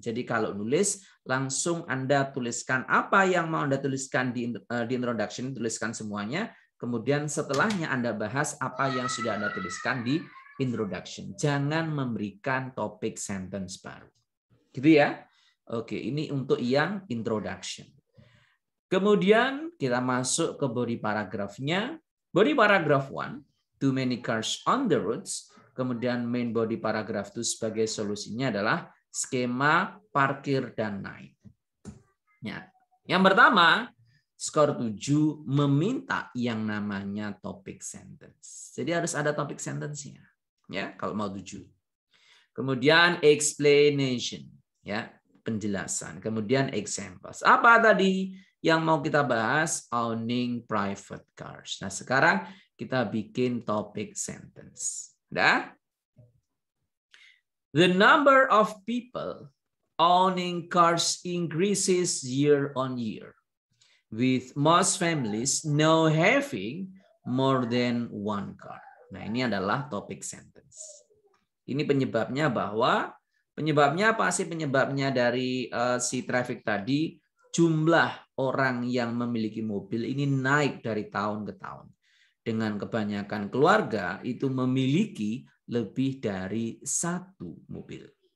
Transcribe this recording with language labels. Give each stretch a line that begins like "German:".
Indonesian: Jadi kalau nulis, langsung Anda tuliskan apa yang mau Anda tuliskan di introduction, tuliskan semuanya, kemudian setelahnya Anda bahas apa yang sudah Anda tuliskan di introduction. Jangan memberikan topik sentence baru. Gitu ya. Oke, ini untuk yang introduction. Kemudian kita masuk ke body paragraph-nya.
English: Body paragraph 1, too many cars on the roads.
Indonesian: Kemudian main body paragraph 2 sebagai solusinya adalah skema parkir dan naik. Ya. Yang pertama, skor 7 meminta yang namanya topik sentence. Jadi harus ada topik sentence-nya. Ya, kalau mau 7. Kemudian explanation, ya, penjelasan. Kemudian examples. Apa tadi yang mau kita bahas?
English: Owning private cars.
Indonesian: Nah, sekarang kita bikin topic sentence. Sudah?
English: The number of people owning cars increases year on year, with most families now having more than one car.
Indonesian: Nah, ini adalah topic sentence. Ini penyebabnya bahwa penyebabnya apa sih? Penyebabnya dari si traffic tadi, jumlah orang yang memiliki mobil ini naik dari tahun ke tahun. Dengan kebanyakan keluarga itu memiliki lebih dari satu mobil.